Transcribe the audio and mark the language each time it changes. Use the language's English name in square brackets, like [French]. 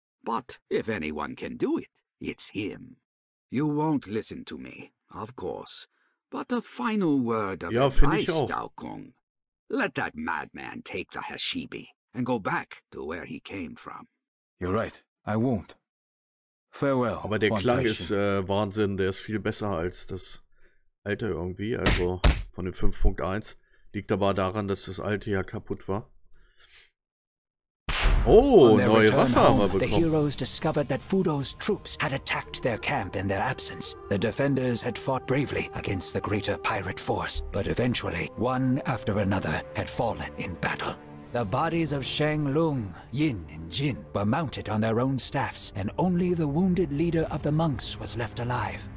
[English] But if anyone can do it, it's him. You won't listen to me, of course, but a final word of advice, Daokun. Let that madman take the Hashibi and go back to where he came from. You're right, I won't. Farewell. [German] Aber der Klang ist Wahnsinn, der ist viel besser als das alte irgendwie, also von dem 5.1. Liegt aber daran, dass das alte ja kaputt war. Oh, neue Waffe haben wir bekommen. [English] The heroes discovered that Fudo's troops had attacked their camp in their absence. The defenders had fought bravely against the greater pirate force, but eventually, one after another had fallen in battle. The bodies of Shang Lung, Yin, and Jin were mounted on their own staffs, and only the wounded leader of the monks was left alive.